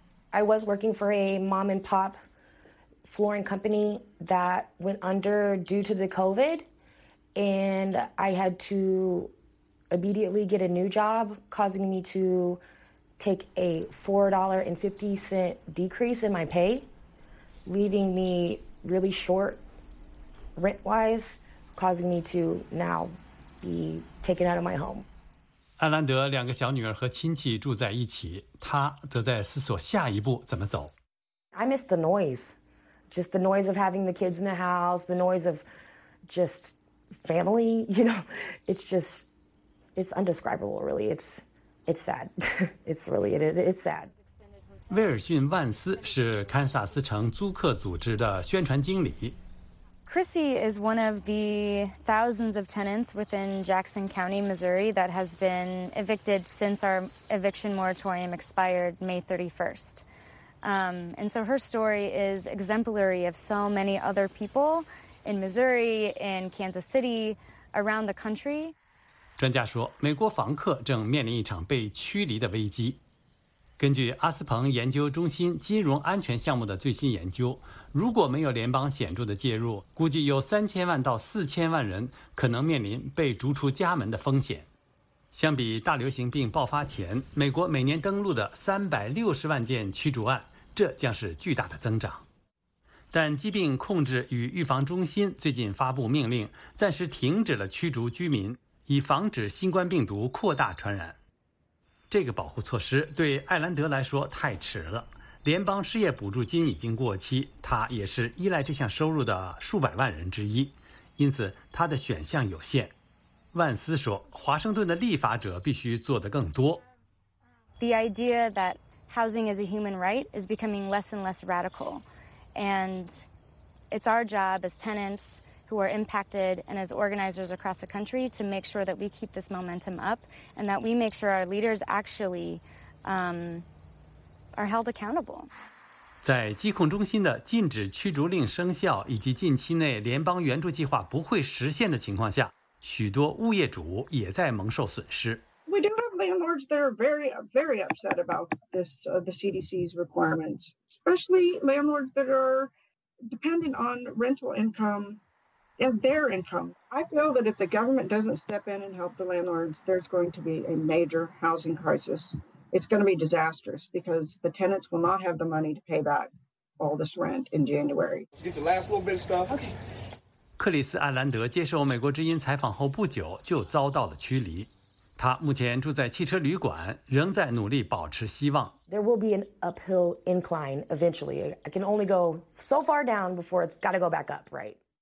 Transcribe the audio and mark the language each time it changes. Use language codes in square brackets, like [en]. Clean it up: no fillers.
[en] I was working for a mom and pop flooring company that went under due to the COVID, and I had to immediately get a new job, causing me to take a $4.50 decrease in my pay, leaving me really short rent wise, causing me to now be taken out of my home. [zh] 艾兰德两个小女儿和亲戚住在一起，他则在思索下一步怎么走。 [en] I miss the noise, just the noise of having the kids in the house, the noise of just family. You know, it's just, it's indescribable, really. It's sad. It's really, it's sad. [zh] 威尔逊·万斯是堪萨斯城租客组织的宣传经理。 [en] Chrissy is one of the thousands of tenants within Jackson County, Missouri, that has been evicted since our eviction moratorium expired May 31st. And so her story is exemplary of so many other people in Missouri, in Kansas City, around the country. [zh] 专家说，美国房客正面临一场被驱离的危机。根据阿斯彭研究中心金融安全项目的最新研究，如果没有联邦显著的介入，估计有3000万到4000万人可能面临被逐出家门的风险。相比大流行病爆发前，美国每年登陆的360万件驱逐案，这将是巨大的增长。但疾病控制与预防中心最近发布命令，暂时停止了驱逐居民，以防止新冠病毒扩大传染。这个保护措施对艾兰德来说太迟了，联邦失业补助金已经过期，他也是依赖这项收入的数百万人之一，因此他的选项有限。万斯说，华盛顿的立法者必须做得更多。 [en] The idea that housing is a human right is becoming less and less radical, and it's our job as tenants who are impacted and as organizers across the country to make sure that we keep this momentum up and that we make sure our leaders actually are held accountable. [zh] 在疾控中心的禁止驱逐令生效以及近期内联邦援助计划不会实现的情况下，许多物业主也在蒙受损失。 [en] We do have landlords that are very, very upset about this, the CDC's requirements, especially landlords that are dependent on rental income as their income. I feel that if the government doesn't step in and help the landlords, there's going to be a major housing crisis. It's going to be disastrous because the tenants will not have the money to pay back all this rent in January. Let's get the last little bit of stuff. Okay. [zh] 克里斯·艾兰德接受美国之音采访后不久就遭到了驱离，他目前住在汽车旅馆，仍在努力保持希望。 [en] There will be an uphill incline eventually. I can only go so far down before it's got to go back up, right?